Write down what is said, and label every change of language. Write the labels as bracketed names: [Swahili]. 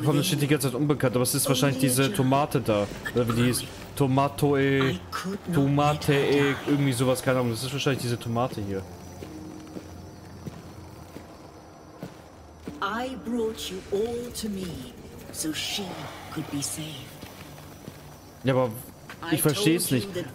[German] Komm, das steht die ganze Zeit unbekannt, aber es ist wahrscheinlich diese Tomate da. Oder wie die hieß. Tomatoe. Tomatee. Irgendwie sowas, keine Ahnung. Das ist wahrscheinlich diese Tomate hier. [English] I brought you all to me, so she. Could be saved. [German] Ja, aber ich verstehe es nicht.